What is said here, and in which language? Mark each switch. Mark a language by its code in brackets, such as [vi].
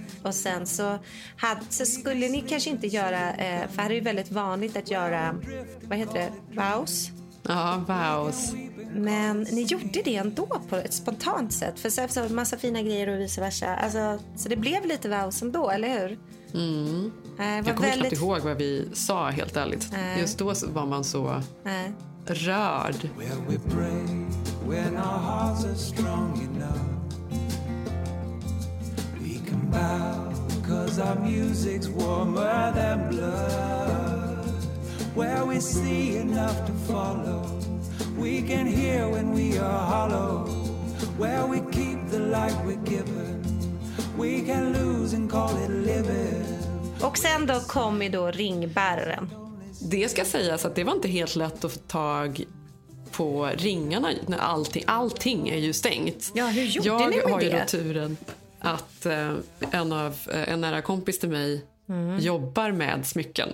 [sv] Och sen så skulle ni kanske inte göra för här är ju väldigt vanligt att göra, vad heter det, vows. Ja, vows. Men ni gjorde det ändå på ett spontant sätt. För så har vi en massa fina grejer och vice versa. Alltså, så det blev lite vows ändå, eller hur? Mm. Jag kommer knappt ihåg vad vi sa, helt ärligt. Just då var man så rörd. [en] Well, we pray when our hearts are strong enough. We can bow cause our music's warmer than blood. Where we see enough to follow. We can hear when we are hollow. Where we keep the light we're given. We can lose and call it living. [sv] Och sen då kom ju då ringbäraren. Det ska sägas att det var inte helt lätt att få tag på ringarna när allting är ju stängt. Ja, hur gjorde jag ni med det? Jag har ju då turen att en nära kompis till mig jobbar med smycken.